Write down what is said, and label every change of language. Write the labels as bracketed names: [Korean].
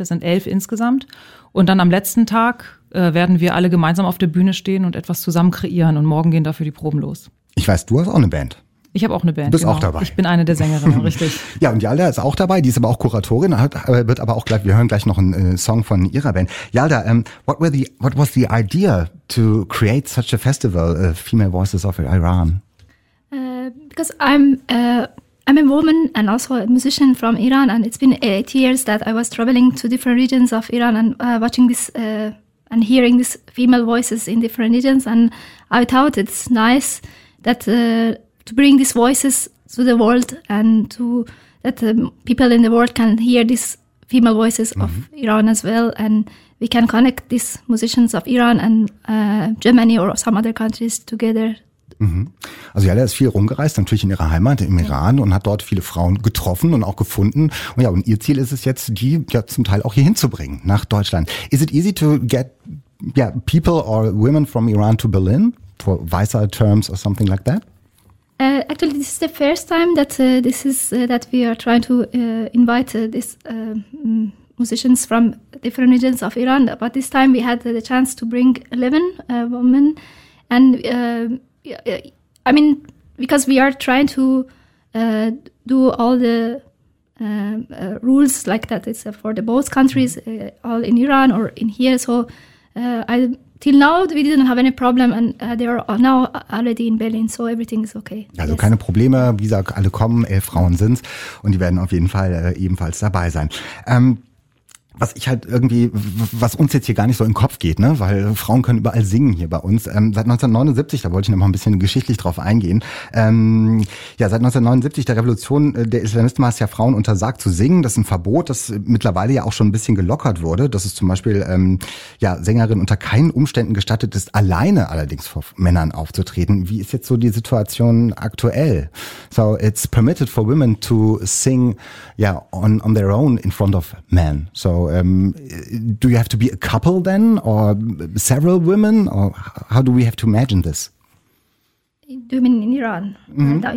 [German] Das sind 11 insgesamt. Und dann am letzten Tag werden wir alle gemeinsam auf der Bühne stehen und etwas zusammen kreieren. Und morgen gehen dafür die Proben los. Ich weiß, du hast auch eine Band. Ich habe auch eine Band. Du bist auch dabei. Ich bin eine der Sängerinnen, richtig. Ja, und Yalda ist auch dabei. Die ist aber auch Kuratorin. Wird aber auch gleich. Wir hören gleich noch einen Song von ihrer Band. [English] Yalda, what was the idea to create such a festival, Female Voices of Iran? Because I'm a woman and also a musician from Iran, and it's been 8 years that I was traveling to different regions of Iran and watching this and hearing these female voices in different regions, and I thought it's nice that to bring these voices to the world and to that people in the world can hear these female voices of Iran as well, and we can connect these musicians of Iran and Germany or some other countries together. [German] Also Yalda ist viel rumgereist, natürlich in ihrer Heimat im Iran, und hat dort viele Frauen getroffen und auch gefunden. Und ja, und ihr Ziel ist es jetzt, die ja zum Teil auch hier hinzubringen nach Deutschland. [English] Is it easy to get people or women from Iran to Berlin for visa terms or something like that? Actually, this is the first time that that we are trying to invite these musicians from different regions of Iran. But this time we had the chance to bring 11 women, and I mean, because we are trying to do all the rules like that. It's for the both countries, all in Iran or in here. So till now, we didn't have any problem, and they are now already in Berlin, so everything is okay. [German] Also keine Probleme, wie gesagt, alle kommen, 11 Frauen sind's, und die werden auf jeden Fall ebenfalls dabei sein. Was ich halt irgendwie, was uns jetzt hier gar nicht so in den Kopf geht, ne, weil Frauen können überall singen hier bei uns. Seit 1979, da wollte ich nochmal ein bisschen geschichtlich drauf eingehen. Seit 1979, der Revolution der Islamisten, war es ja Frauen untersagt zu singen. Das ist ein Verbot, das mittlerweile ja auch schon ein bisschen gelockert wurde. Dass es zum Beispiel Sängerinnen unter keinen Umständen gestattet ist, alleine allerdings vor Männern aufzutreten. Wie ist jetzt so die Situation aktuell? [English] So, it's permitted for women to sing on their own in front of men. So, do you have to be a couple then, or several women, or how do we have to imagine this? Do you mean in Iran? Mm-hmm.